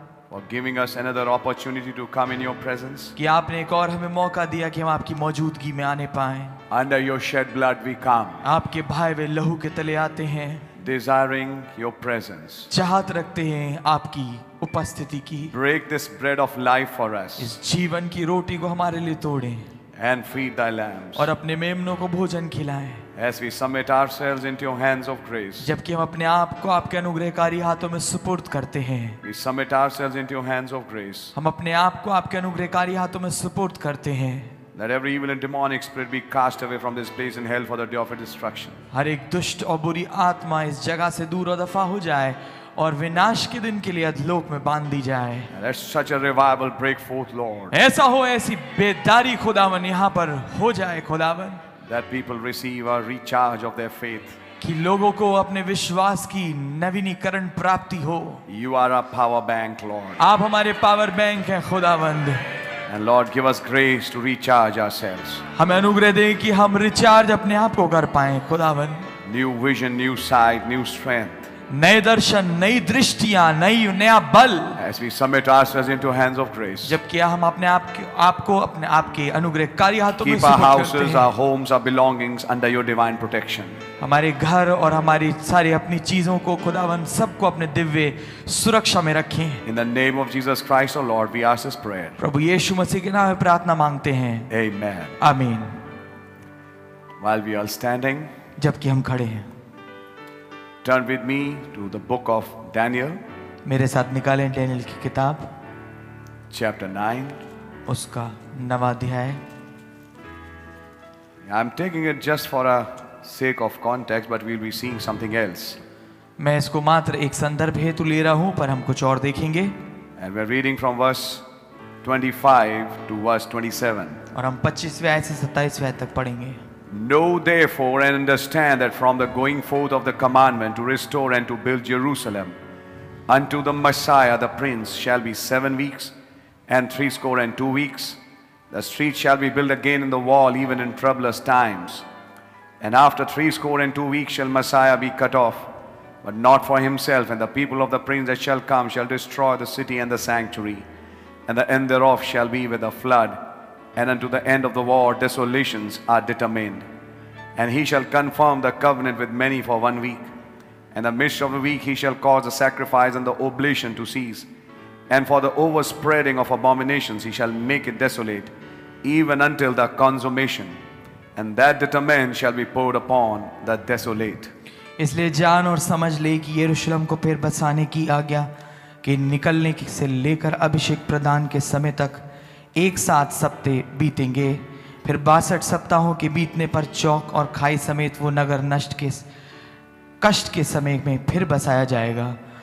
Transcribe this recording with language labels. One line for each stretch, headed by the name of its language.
English: For giving us another opportunity to come in your presence.
Hindi: कि आपने एक और हमें मौका दिया कि हम आपकी मौजूदगी में आने पाएं.
English: Under your shed blood we come.
Hindi: आपके भाई वे लहू के तले आते हैं.
English: Desiring your presence.
Hindi: चाहत रखते हैं आपकी उपस्थिति की.
English: Break this bread of life for us.
Hindi: इस जीवन की रोटी को हमारे लिए तोड़ें.
English: And feed thy lambs.
Hindi: और अपने मेमनों को भोजन खिलाएं.
English: As we submit ourselves into your hands of grace.
Hindi: जबकि हम अपने आप को आपके अनुग्रहकारी हाथों में सुपुर्द करते हैं.
English: We submit ourselves into your hands of grace.
Hindi: हम अपने आप को आपके अनुग्रहकारी हाथों में सुपुर्द करते हैं.
English: Let every evil and demonic spirit be cast away from this place in hell for the day of its destruction.
Hindi: हर एक दुष्ट और बुरी आत्मा इस जगह से दूर दफा हो जाए और विनाश के दिन के लिए अधलोक में बांध दी जाए.
English: Let such a revival break forth, Lord.
Hindi: ऐसा हो ऐसी बेदारी खुदावन यहाँ पर हो जाए खुदावन.
English: That people receive a recharge of their faith.
Hindi: कि लोगों को अपने विश्वास की नवीनीकरण प्राप्ति हो.
English: You are a power bank, Lord.
Hindi: आप हमारे पावर बैंक हैं खुदावंद.
English: And Lord, give us grace to recharge ourselves.
Hindi: हमें अनुग्रह दें कि हम रिचार्ज अपने आप को कर पाएं, खुदावन.
English: New vision, new sight, new strength.
Hindi: नए दर्शन, नई दृष्टियाँ, नई नया बल.
English: As we submit ourselves into hands of grace.
Hindi: जबकि हम अपने आप को आपको अपने आपके अनुग्रह कार्य हाथों में सुपुर्द करते हैं.
English: Keep our houses, our homes, our belongings under your divine protection.
Hindi: हमारे घर और हमारी सारी अपनी चीजों को खुदावन सबको अपने दिव्य सुरक्षा में रखें.
English: In the name of Jesus Christ, O Lord, we ask this prayer.
Hindi: प्रभु यीशु मसीह के नाम में प्रार्थना मांगते हैं.
English: Amen.
Hindi: आमीन.
English: While we are standing,
Hindi: जबकि हम खड़े हैं,
English: turn with me to the book of Daniel.
Hindi: मेरे साथ निकालें डैनियल की किताब.
English: Chapter 9.
Hindi: उसका नवा अध्याय.
English: I'm taking it just for a sake of context, but we'll be seeing something else.
Hindi: मैं इसको मात्र एक संदर्भ हेतु ले रहा हूँ, पर हम कुछ और देखेंगे.
English: And we're reading from verse 25 to verse 27.
Hindi: और हम 25वें आयत से 27वें आयत तक पढ़ेंगे.
English: Know therefore and understand that from the going forth of the commandment to restore and to build Jerusalem unto the Messiah the Prince shall be 7 weeks and 62 weeks. The street shall be built again in the wall even in troublous times. And after 62 weeks shall Messiah be cut off, but not for himself. And the people of the prince that shall come shall destroy the city and the sanctuary, and the end thereof shall be with a flood. And unto the end of the war desolations are determined. And he shall confirm the covenant with many for 1 week. And the midst of the week he shall cause the sacrifice and the oblation to cease. And for the overspreading of abominations he shall make it desolate, even until the consummation. And that determined shall be poured upon the desolate.
Hindi: इसलिए जान और समझ ले कि यरूशलम को फिर बसाने की आज्ञा के निकलने से लेकर अभिषेक प्रदान के समय तक 1 सप्ताह बीतेंगे, फिर 62 सप्ताहों के बीतने पर चौक और खाई समेत वो नगर नष्ट के कष्ट के समय में फिर बसाया जाएगा।